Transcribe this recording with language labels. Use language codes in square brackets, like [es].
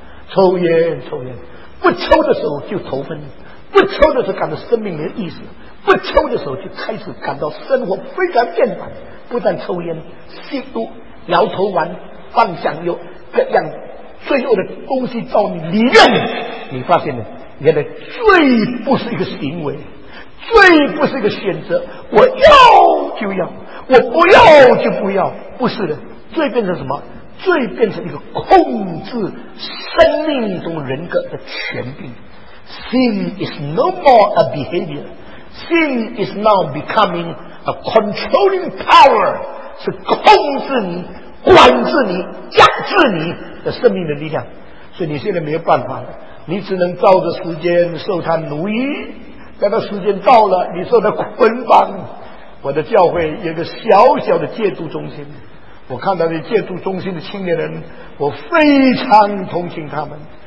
[zh] 抽烟抽烟，不抽的时候就头昏，不抽的时候感到生命没有意思，不抽的时候就开始感到生活非常厌烦，不但抽烟吸毒摇头丸放香油，各样罪恶的东西到你里面，你发现了，原来罪不是一个行为，罪不是一个选择，我要就要，我不要就不要，不是的，罪变成什么？罪变成一个控制生命中人格的权柄。 [en] Sin is no more a behavior. Sin is now becoming a controlling power. [zh] 是控制你、管制你、压制你的生命的力量。所以你现在没有办法了，你只能照着时间受他奴役。等到时间到了，你受他捆绑。我的教会有个小小的戒毒中心，我看到那戒毒中心的青年人，我非常同情他们。